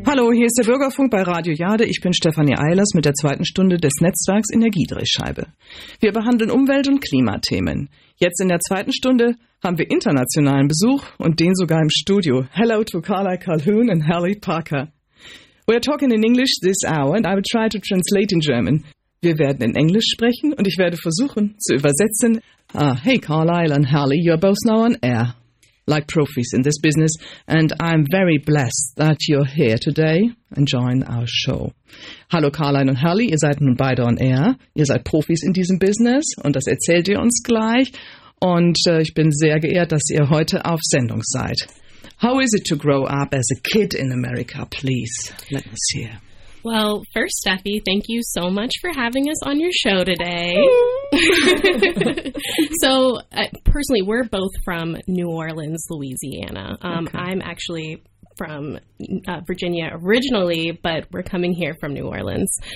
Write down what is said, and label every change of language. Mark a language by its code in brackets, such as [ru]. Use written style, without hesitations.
[de] Hallo, hier ist der Bürgerfunk bei Radio Jade. Ich bin Stefanie Eilers mit der zweiten Stunde des Netzwerks Energiedrehscheibe. Wir behandeln Umwelt- und Klimathemen. Jetzt in der zweiten Stunde haben wir internationalen Besuch und den sogar im Studio. [en] Hello to Carla Calhoun and Harry Parker. We are talking in English this hour and I will try to translate in German. [de] Wir werden in Englisch sprechen und ich werde versuchen zu übersetzen. [en] Hey Carlisle and Harley, you're both now on air, like profis in this business, and I'm very blessed that you're here today and join our show. [de] Hallo Carlisle und Harley, ihr seid nun beide on air, ihr seid Profis in diesem Business und das erzählt ihr uns gleich. Und ich bin sehr geehrt, dass ihr heute auf Sendung seid. [en] How is it to grow up as a kid in America, please? Let us hear. Well, first, Steffi, thank you so much for having us on your show today. So, personally, we're both from New Orleans, Louisiana. Okay. I'm actually from Virginia originally, but we're coming here from New Orleans.